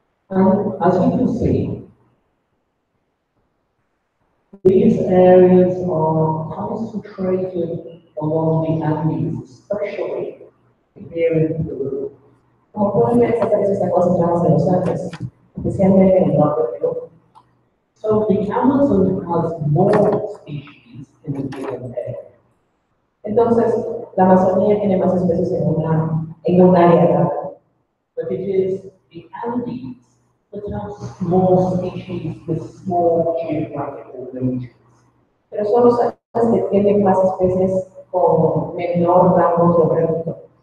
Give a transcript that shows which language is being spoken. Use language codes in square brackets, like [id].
[en] And as you can see, these areas are concentrated along the Andes, especially here in Peru. [es] Como pueden ver, estas áreas están concentradas en los Andes, especialmente en el norte de Perú. [en] So the Amazon has more species in the given area. [es] Entonces, la Amazonía tiene más especies en un área dada. [en] But it is the Andes that have more species with small geographical ranges. [es] Pero son los Andes que tienen más especies con menor rango geográfico.